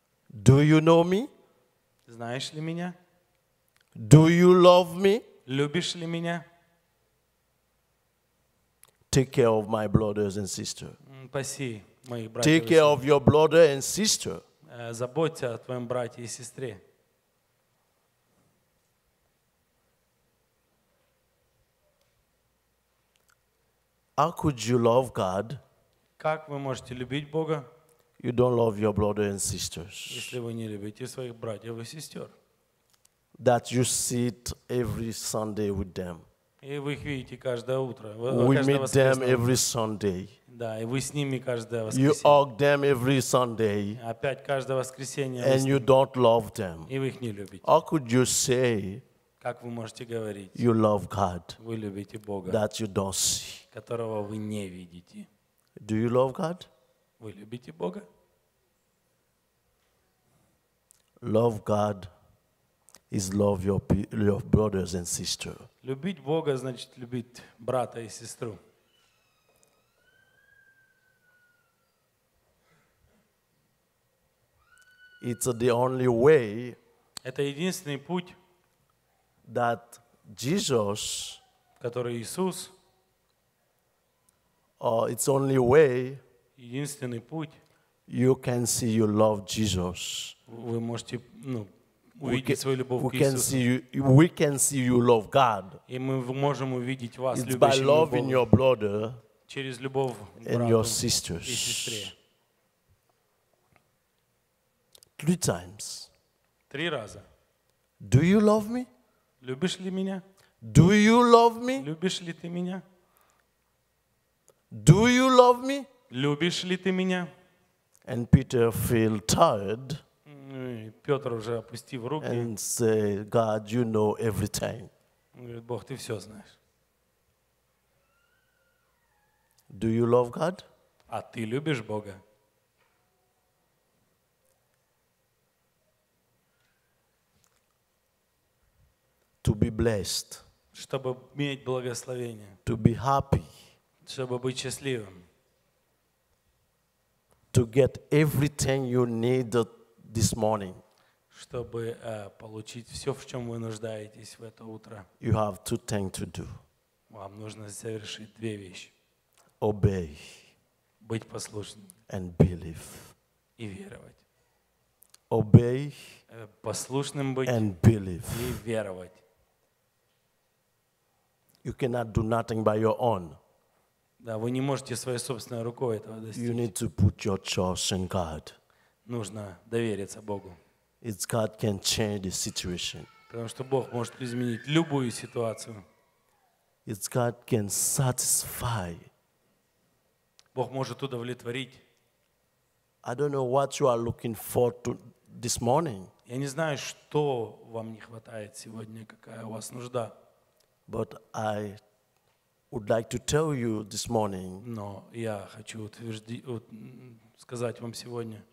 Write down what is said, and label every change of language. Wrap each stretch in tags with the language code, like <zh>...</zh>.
<en>do you know me?</en> <ru>Знаешь ли меня?</ru> <en>Do you love me?</en> <ru>Любишь ли меня?</ru> <en>Take care of my brothers and sisters.</en> <ru>Паси моих братьев.</ru> <en>Take care of your brother and sister.</en> <ru>Заботься о твоем брате и сестре.</ru> <en>How could you love God?</en> <ru>Как вы можете любить Бога?</ru> <en>You don't love your brother and sisters.</en> <ru>Если вы не любите своих братьев и сестер.</ru> <en>That you sit every Sunday with them.</en> <ru>И вы их видите каждое утро.</ru> <en>We meet them every Sunday.</en> <ru>Да, и вы с ними каждое воскресенье.</ru> <en>You hug them every Sunday.</en> <ru>Опять каждое воскресенье.</ru> <en>And you don't love them.</en> <ru>И вы их не любите.</ru> <en>How could you say?</en> <ru>Как вы можете говорить?</ru> <en>You love God.</en> <ru>Вы любите Бога.</ru> <en>That you don't see.</en> <ru>Которого вы не видите.</ru> <en>Do you love God?</en> <ru>Вы любите Бога?</ru> <en>Love God is love your brothers and sisters.</en> <ru>Любить Бога значит любить брата и сестру.</ru> <en>It's the only way.</en> <ru>Это единственный путь.</ru> <en>That Jesus.</en> <ru>Который Иисус.</ru> <en>It's only way.</en> <ru>Единственный путь.</ru> <en>You can see you love Jesus.</en> <ru>Вы можете, ну, увидеть свою любовь к Иисусу.</ru> <en>We can see you love God.</en> <ru>И мы можем увидеть вас, любящим Бога.</ru> <en>It's by loving your brother.</en> <ru>Через любовь брату и сестре.</ru> <en>And your sisters. Three times.</en> <ru>Три раза.</ru> <en>Do you love me?</en> <ru>Любишь ли меня?</ru> <en>Do you love me?</en> <ru>Любишь ли ты меня?</ru> <en>Do you love me?</en> <ru>Любишь ли ты меня?</ru> <en>And Peter feel tired.</en> <ru>Петр уже опустив руки.</ru> <en>And say, God, you know everything.</en> <ru>Говорит, Бог, ты все знаешь.</ru> <en>Do you love God?</en> <ru>А ты любишь Бога?</ru> <en>To be blessed.</en> <ru>Чтобы иметь благословение.</ru> <en>To be happy.</en> <ru>Чтобы быть счастливым.</ru> <en>To get everything you need this morning.</en> <ru>Чтобы получить все, в чем вы нуждаетесь в это утро.</ru> <en>You have two things to do.</en> <ru>Вам нужно совершить две вещи.</ru> <en>Obey.</en> <ru>Быть послушным.</ru> <en>And believe.</en> <ru>И веровать.</ru> <en>Obey.</en> <ru>Послушным быть.</ru> <en>And believe.</en> <ru>И веровать.</ru> <en>You cannot do nothing by your own.</en> <ru>Да, вы не можете своей собственной рукой этого достичь.</ru> <en>You need to put your trust in God.</en> <ru>Нужно довериться Богу.</ru> <en>It's God can change the situation.</en> <ru>Потому что Бог может изменить любую ситуацию.</ru> <en>It's God can satisfy.</en> <ru>Бог может удовлетворить.</ru> <en>I don't know what you are looking for to this morning.</en> <ru>Я не знаю, что вам не хватает сегодня, какая у вас нужда.</ru> <en>But I would like to tell you this morning.</en> <ru>Но я хочу сказать вам сегодня.</ru>